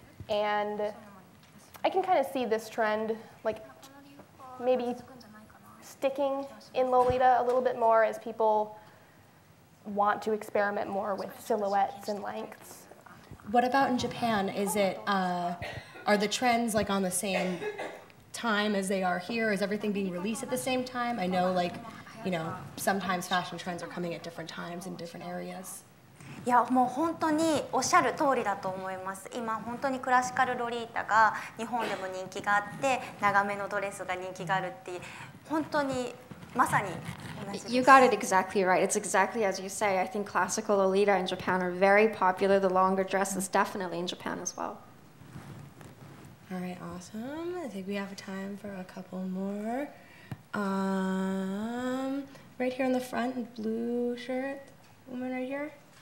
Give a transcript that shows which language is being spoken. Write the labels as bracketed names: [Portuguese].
[English] And I can kind of see this trend, like maybe sticking in Lolita a little bit more as people want to experiment more with silhouettes and lengths. What about in Japan? Is it, are the trends like on the same time as they are here? Is everything being released at the same time? I know like, you know, sometimes fashion trends are coming at different times in different areas. [Japanese] いやもう本当におっしゃる通りだと思います。今本当にクラシカルロリータが日本でも人気があって、長めのドレスが人気があるっていう、本当にまさに [English] You got it exactly right. It's exactly as you say. I think classical Lolita in Japan are very popular. The longer dresses definitely in Japan as well. All right, awesome. I think we have time for a couple more. Right here in the front, blue shirt, woman right here.